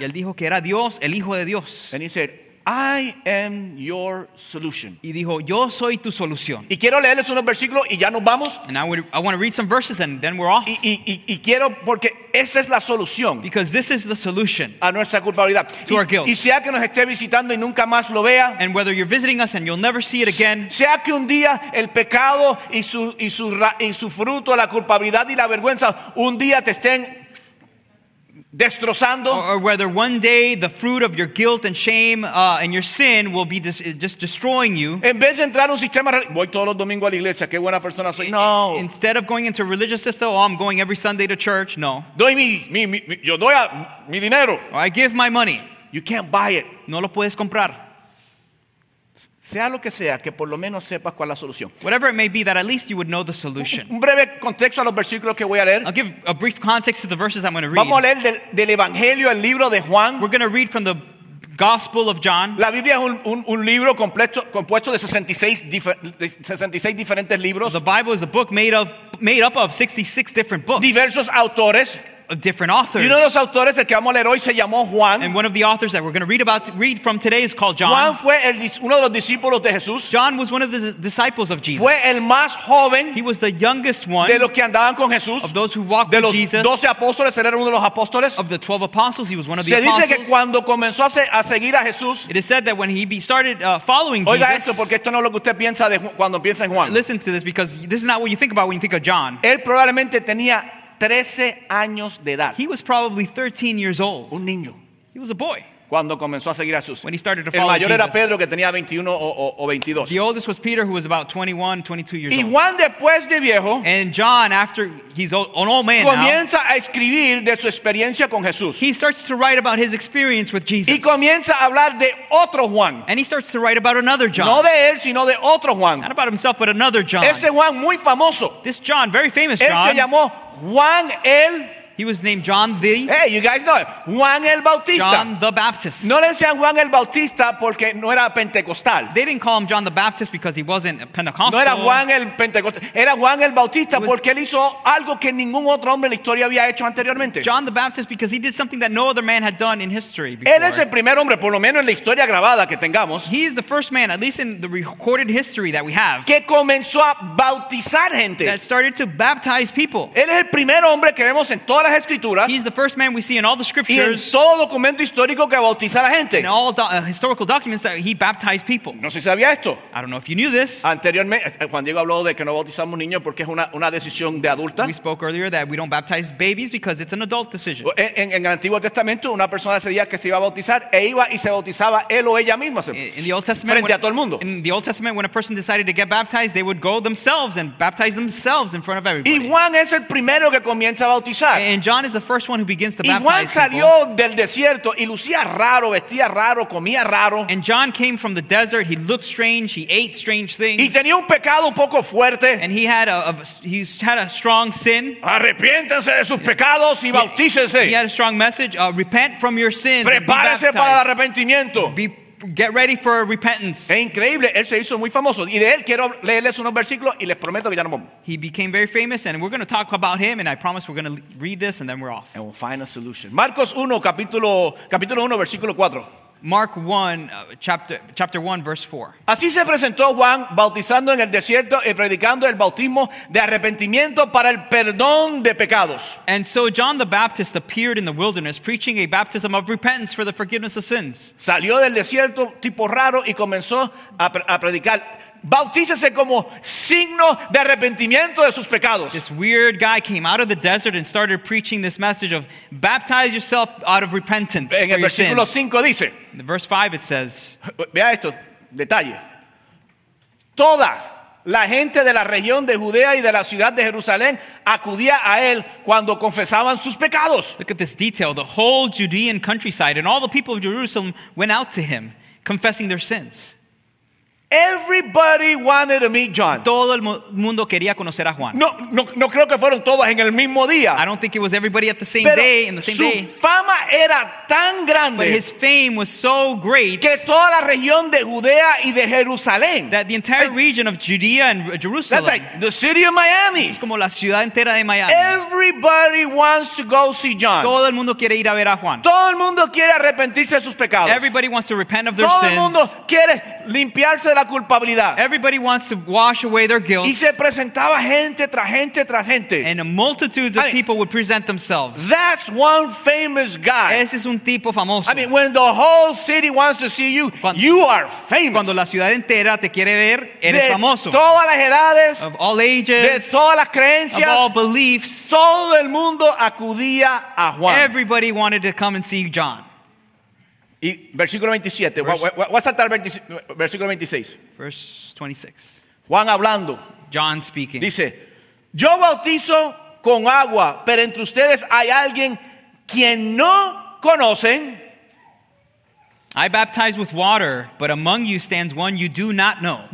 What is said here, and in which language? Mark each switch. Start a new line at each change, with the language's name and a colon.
Spanish: Y él dijo que era Dios, el Hijo de Dios.
English: And he said, I am your solution.
Spanish: Y dijo, yo soy tu solución. Y quiero leerles unos versículos y ya nos vamos.
English: And I want to read some verses and then we're off.
Spanish: Y quiero porque esta es la solución.
English: Because this is the solution.
Spanish: A nuestra culpabilidad.
English: To our guilt.
Spanish: Y sea que nos esté visitando y nunca más lo vea.
English: And whether you're visiting us and you'll never see it again.
Spanish: Sea que un día el pecado y su fruto, la culpabilidad y la vergüenza, un día te estén destrozando.
English: Or whether one day the fruit of your guilt and shame and your sin will be just destroying you.
Spanish: En vez de entrar a un sistema, voy todos los domingos a la iglesia, qué buena persona soy. No.
English: Instead of going into a religious system, I'm going every Sunday to church. No.
Spanish: Doy yo doy mi dinero.
English: Or I give my money. You can't buy it.
Spanish: No lo puedes comprar. Sea lo que sea, que por lo menos sepas cuál es la solución.
English: Whatever it may be, that at least you would know the solution.
Spanish: Un breve contexto a los versículos que voy a leer.
English: I'll give a brief context to the verses I'm going to read.
Spanish: Vamos a leer del Evangelio, el libro de Juan.
English: We're going to read from the Gospel of John.
Spanish: La Biblia es un libro completo, compuesto de 66 diferentes libros.
English: The Bible is a book made up of 66 different books.
Spanish: Diversos autores.
English: different authors.
Spanish: Y uno de los autores del que vamos a leer hoy se llamó Juan.
English: And one of the authors that we're going to read from today is called John.
Spanish: Juan fue uno de los discípulos de Jesús.
English: John was one of the disciples of Jesus.
Spanish: Fue el más joven.
English: He was the youngest one.
Spanish: De los que andaban con Jesús.
English: Of those who walked with Jesus.
Spanish: De los 12 apóstoles, él era uno de los apóstoles.
English: Of the 12 apostles, he was one of the apostles.
Spanish: Se dice que cuando comenzó a seguir a Jesús.
English: It is said that when he started following Jesus.
Spanish: Oiga esto, porque esto no es lo que usted piensa cuando piensa en Juan.
English: Listen to this, because this is not what you think about when you think of John.
Spanish: Él probablemente tenía 13 años de edad.
English: He was probably 13 years old.
Spanish: Un niño.
English: He was a boy.
Spanish: Cuando comenzó a seguir a Jesús.
English: When he started to follow
Spanish: Jesus. El mayor era Pedro, que tenía 21 o 22.
English: The oldest was Peter, who was about 21, 22 years
Spanish: y
English: old.
Spanish: Y Juan, después de viejo.
English: And John, after he's an old man,
Spanish: comienza
English: now,
Spanish: a escribir de su experiencia con Jesús.
English: He starts to write about his experience with Jesus.
Spanish: Y comienza a hablar de otro Juan.
English: And he starts to write about another John.
Spanish: No de él, sino de otro Juan.
English: Not about himself, but another John.
Spanish: Este Juan, muy famoso.
English: This John, very famous
Spanish: él
English: John.
Spanish: Se llamó Juan el...
English: He was named John the... Hey, you guys know him. Juan el Bautista. John the Baptist.
Spanish: No le decían Juan el Bautista porque no era Pentecostal.
English: They didn't call him John the Baptist because he wasn't Pentecostal.
Spanish: No era Juan el Pentecostal. Era Juan el Bautista porque él hizo algo que ningún otro hombre en la historia había hecho anteriormente.
English: John the Baptist because he did something that no other man had done in history before.
Spanish: Él es el primer hombre, por lo menos en la historia grabada que tengamos.
English: He is the first man, at least in the recorded history that we have.
Spanish: Que comenzó a bautizar gente.
English: That started to baptize people.
Spanish: Él es el primer hombre que vemos en todas las escrituras.
English: He's the first man we see in all the scriptures.
Spanish: Y en todo documento histórico que bautiza a la gente.
English: In all historical documents that he baptized people.
Spanish: No sé si sabía esto.
English: I don't know if you knew this.
Spanish: Anteriormente, Juan Diego habló de que no bautizamos niños porque es una decisión de adulta.
English: We spoke earlier that we don't baptize babies because it's an adult decision.
Spanish: En el Antiguo Testamento, una persona decía que se iba a bautizar e iba y se bautizaba él o ella misma.
English: In the Old Testament,
Spanish: frente a todo el mundo.
English: In the Old Testament, when a person decided to get baptized, they would go themselves and baptize themselves in front of everybody.
Spanish: Y Juan es el primero que comienza a bautizar.
English: And John is the first one who begins to baptize
Spanish: y Juan salió
English: people.
Spanish: Del desierto y lucía raro, vestía raro, comía raro.
English: And John came from the desert. He looked strange. He ate strange things.
Spanish: Y tenía un pecado un poco fuerte.
English: And he had a strong sin.
Spanish: Arrepiéntense de sus pecados y bautícese.
English: He had a strong message. Repent from your sins.
Spanish: Prepárese para el arrepentimiento.
English: Get ready for repentance.
Spanish: Es increíble, él se hizo muy famoso y de él quiero leerles unos versículos y les prometo que ya nos vamos.
English: He became very famous and we're going to talk about him and I promise we're going to read this and then we're off. And we'll find a solution.
Spanish: Marcos 1 capítulo 1 versículo 4.
English: Mark 1 chapter 1 verse 4.
Spanish: Así se presentó Juan bautizando en el desierto y predicando el bautismo de arrepentimiento para el perdón de pecados.
English: And so John the Baptist appeared in the wilderness preaching a baptism of repentance for the forgiveness of sins.
Spanish: Salió del desierto tipo raro y comenzó a predicar. Bautícese como signo de arrepentimiento de sus pecados.
English: This weird guy came out of the desert and started preaching this message of baptize yourself out of repentance
Spanish: en
English: for your sins.
Spanish: En el versículo 5 dice.
English: In verse 5 it says.
Spanish: Vea esto, detalle. Toda la gente de la región de Judea y de la ciudad de Jerusalén acudía a él cuando confesaban sus pecados.
English: Look at this detail. The whole Judean countryside and all the people of Jerusalem went out to him confessing their sins. Everybody wanted to meet John.
Spanish: Todo el mundo quería conocer a Juan. No creo que fueron todos en el mismo día.
English: I don't think it was everybody at the same
Spanish: Pero
English: day in the same
Spanish: su
English: day.
Spanish: Fama era tan grande.
English: But his fame was so great.
Spanish: Que toda la región de Judea y de Jerusalén.
English: That the entire region of Judea and Jerusalem. That's like the city of Miami.
Spanish: Es como la ciudad entera de Miami.
English: Everybody wants to go see John.
Spanish: Todo el mundo quiere ir a ver a Juan. Todo el mundo quiere arrepentirse de sus pecados.
English: Everybody wants to repent of their
Spanish: Todo
English: sins.
Spanish: Todo el mundo quiere limpiarse de la culpabilidad.
English: Everybody wants to wash away their guilt.
Spanish: Y se presentaba gente tras gente tras gente.
English: And multitudes of people would present themselves. That's one famous guy.
Spanish: Ese es un tipo famoso.
English: I mean, when the whole city wants to see you, you are famous.
Spanish: Cuando la ciudad entera te quiere ver, eres famoso. De todas las edades,
English: of all ages,
Spanish: de todas las creencias,
English: of all beliefs,
Spanish: todo el mundo acudía a Juan.
English: Everybody wanted to come and see John.
Spanish: Y versículo 27, voy a saltar al versículo 26.
English: Verse 26.
Spanish: Juan hablando.
English: John speaking.
Spanish: Dice, yo bautizo con agua, pero entre ustedes hay alguien quien no conocen.
English: I baptize with water, but among you stands one you do not know.